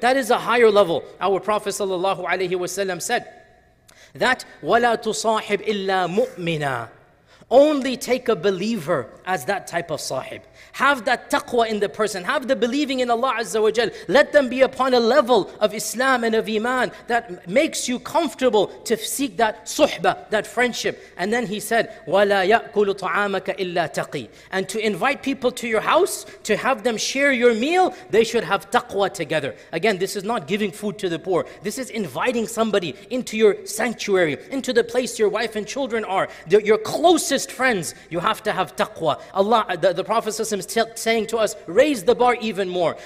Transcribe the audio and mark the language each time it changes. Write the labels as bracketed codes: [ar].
[en] That is a higher level. Our Prophet sallallahu alaihi wasallam said that, [ar] وَلَا تُصَاحِبْ إِلَّا مُؤْمِنًا. [en] Only take a believer as that type of sahib. Have that taqwa in the person. Have the believing in Allah Azza wa Jal. Let them be upon a level of Islam and of Iman that makes you comfortable to seek that suhba, that friendship. And then he said, [ar] وَلَا يَأْكُلُ طَعَامَكَ إِلَّا تَقِي. [en] And to invite people to your house, to have them share your meal, they should have taqwa together. Again, this is not giving food to the poor. This is inviting somebody into your sanctuary, into the place your wife and children are. Your closest friends, you have to have taqwa. Allah, the Prophet says, saying to us, raise the bar even more.